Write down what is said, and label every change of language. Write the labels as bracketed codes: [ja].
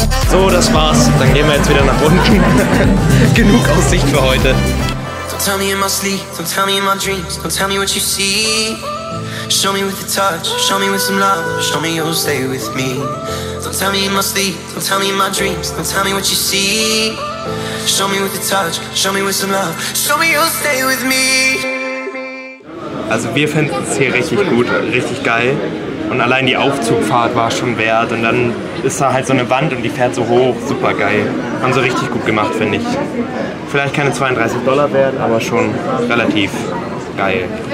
[de] So, das war's. Dann gehen wir jetzt wieder nach unten. Genug Aussicht für heute. [en] Don't tell me in my sleep, don't tell me in my dreams, don't tell me what you see. Show me with a touch, show me with some love, show me you'll stay with me. Don't tell me in my sleep, don't tell me in my dreams, don't tell me what you see. Show me with a touch, show me with some love, show me you'll stay with me. [de] Also wir finden es hier richtig gut, richtig geil. Und allein die Aufzugfahrt war schon wert. Und dann ist da halt so eine Wand und die fährt so hoch. Super geil. Haben sie richtig gut gemacht, finde ich. Vielleicht keine 32 Dollar wert, aber schon relativ geil.